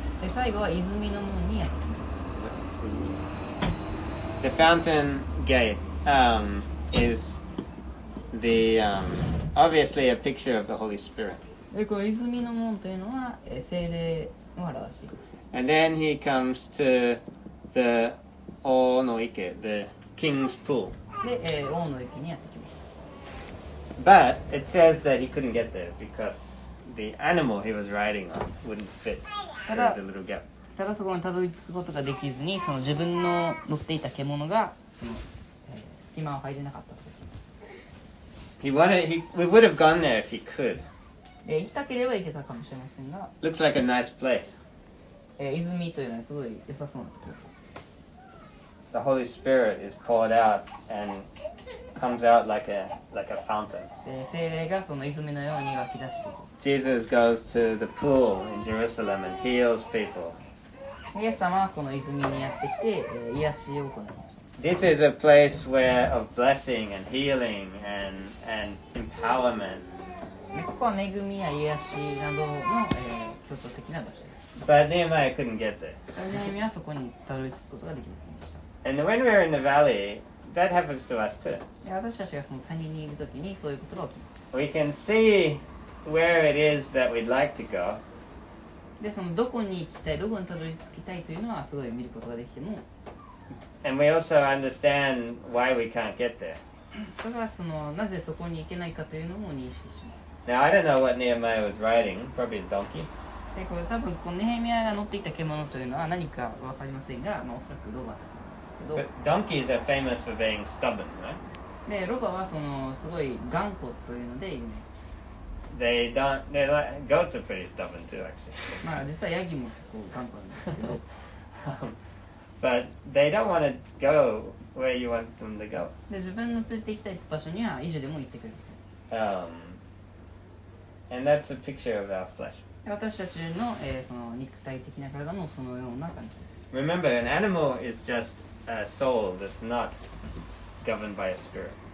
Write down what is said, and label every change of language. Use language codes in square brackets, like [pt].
[ja] で、最後は泉の門にやってきます。 [en] The fountain gate is the obviously a picture of the Holy Spirit. [ja] で、この泉の門というのは聖霊を表しています。 [en] And then he comes to the [ja] 王の池, [en] the king's pool. [ja] で、王の池にやってきます。 [en] But it says that he couldn't get there because the animal he was riding on wouldn't fit the little gap. [ja] ただそこにたどり着くことができずに、その自分の乗っていた獣がその、隙間を入れなかったと。 [en] We would have gone there if he could. [ja] 行きたければ行けたかもしれませんが。 [en] Looks like a nice place. [ja] 泉というのはすごい良さそうなところ。 [en] The Holy Spirit is poured out and comes out like a fountain. [ja] 聖霊がその泉のように湧き出して。 [en] Jesus goes to the pool in Jerusalem and heals people. [ja] イエス様はこの泉にやってきて、癒しを行います。 [en] This is a place where of blessing and healing and empowerment. [ja] ここは恵みや癒しなどの、京都的な場所です。 [en] But Nehemiah couldn't get there. [ja] Nehemiah はそこにたどり着くことができませんでした。 [en] And when we're in the valley, that happens to us too. [ja] 私たちがその谷にいるときにそういうことが起きます。 [en] We can see where it is that we'd like to go. [ja] で、そのどこに行きたい、どこにたどり着きたいというのはすごい見ることができても。 [en] And we also understand why we can't get there. [ja] だからそのなぜそこに行けないかというのも認識します。 [en] Now I don't know what Nehemiah was riding. Probably a donkey. [ja] で、これ多分このネヘミヤが乗っていた獣というのは何かわかりませんが、まあおそらくロバだと思います。 [en] But donkeys are famous for being stubborn, right? [ja] で、ロバはそのすごい頑固というので有名。 [en] They don't. They're like goats are pretty stubborn too, actually. [ja] まあ実はヤギも結構頑固なんですけど。 [en] But they don't want to go where you want them to go. [ja] で、自分の連れて行きたい場所には意地でも行ってくれません。 [en] And that's a picture of our flesh. [ja] 私たちの、その肉体的な体もそのような感じです。 [en] Remember, an animal is just a soul that's not governed by a spirit.